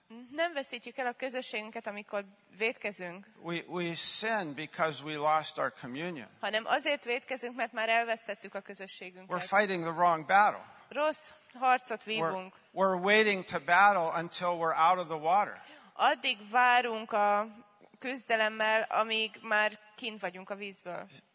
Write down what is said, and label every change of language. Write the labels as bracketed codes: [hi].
[hu] Nem veszítjük el a közösségünket, amikor vétkezünk. [en] We sin because we lost our communion. [hu] Hanem azért vétkezünk, mert már elvesztettük a közösségünket. [en] We're fighting the wrong battle. [hu] Rossz harcot vívunk. [en] We're waiting to battle until we're out of the water. [hu] Addig várunk a küzdelemmel, amíg már kint vagyunk a vízből.